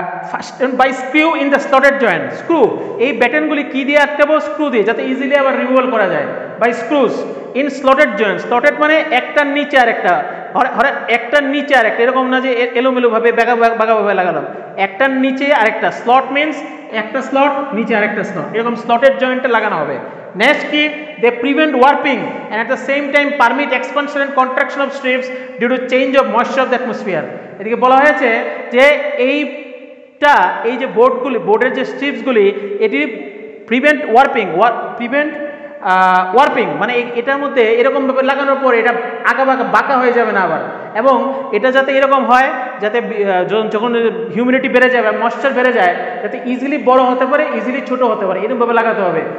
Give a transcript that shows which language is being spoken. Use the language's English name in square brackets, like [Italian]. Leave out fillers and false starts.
[English] first by screw in the slotted joint, [Bangla] screw, এই ব্যাটেনগুলি কী দিয়ে আটকাবো, screw দিয়ে, যাতে ইজিলি আবার রিমুভাল করা যায়, [English] By screws in slotted joint. [Bangla] Slotted মানে একটার নিচে আর একটা, হরে হরে একটার নিচে আরেকটা, এরকম না যে এলোমেলো ভাবে বাঘা ভাবে লাগালাম, একটার নিচে আরেকটা, স্লট মিন্স একটা স্লট নিচে আরেকটা স্লট, এরকম স্লটের জয়েন্টে লাগানো হবে। [English] Next key, they prevent warping and at the same time permit expansion and contraction of strips due to change of moisture of the atmosphere. [Bangla] এদিকে বলা হয়েছে যে এইটা এই যে বোর্ডগুলি বোর্ডের যে স্ট্রিপসগুলি এটি প্রিভেন্ট ওয়ার্পিং, প্রিভেন্ট ওয়ার্পিং মানে এটার মধ্যে এরকম ভাবে লাগানোর পর এটা আগা বাঁকা বাঁকা হয়ে যাবে না আবার, এবং এটা যাতে এরকম হয় যাতে যখন হিউমিডিটি বেড়ে যায় বা ময়েশ্চার বেড়ে যায় যাতে ইজিলি বড় হতে পারে, ইজিলি ছোট হতে পারে, এরকমভাবে লাগাতে হবে।